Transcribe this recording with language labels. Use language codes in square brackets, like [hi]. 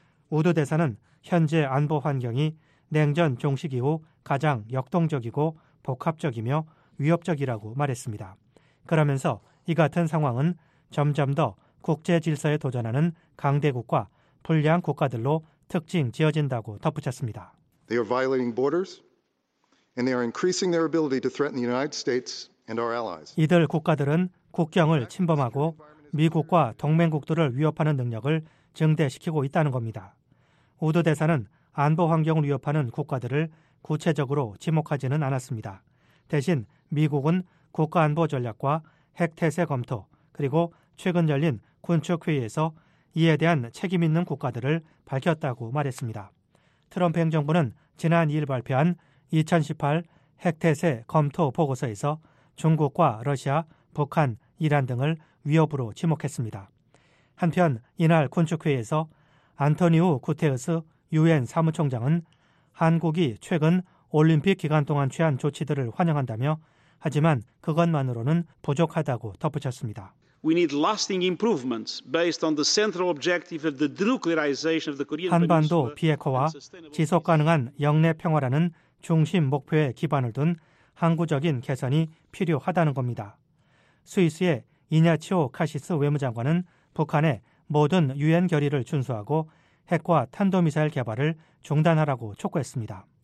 [ko] 우드 대사는 현재 안보 환경이 냉전 종식 이후 가장 역동적이고 복합적이며 위협적이라고 말했습니다. 그러면서 이 같은 상황은 점점 더 국제 질서에 도전하는 강대국과 불량 국가들로 특징 지어진다고 덧붙였습니다. [en] They are violating borders and they are increasing their ability to threaten the United States and our allies. [ko] 이들 국가들은 국경을 침범하고 미국과 동맹국들을 위협하는 능력을 증대시키고 있다는 겁니다. 우드 대사는 안보 환경을 위협하는 국가들을 구체적으로 지목하지는 않았습니다. 대신 미국은 국가안보 전략과 핵태세 검토 그리고 최근 열린 군축회의에서 이에 대한 책임 있는 국가들을 밝혔다고 말했습니다. 트럼프 행정부는 지난 2일 발표한 2018 핵태세 검토 보고서에서 중국과 러시아, 북한, 이란 등을 위협으로 지목했습니다. 한편 이날 군축회의에서 안토니우 구테흐스 유엔 사무총장은 한국이 최근 올림픽 기간 동안 취한 조치들을 환영한다며 하지만 그것만으로는 부족하다고 덧붙였습니다. [en] We need lasting improvements based on the central objective of the denuclearization of the Korean Peninsula. [ko] 한반도 비핵화와 지속 가능한 영내 평화라는 중심 목표에 기반을 둔 항구적인 개선이 필요하다는 겁니다. 스위스의 이냐치오 카시스 외무장관은 북한의 모든 유엔 결의를 준수하고 핵과 탄도 미사일 개발을 중단하라고 촉구했습니다.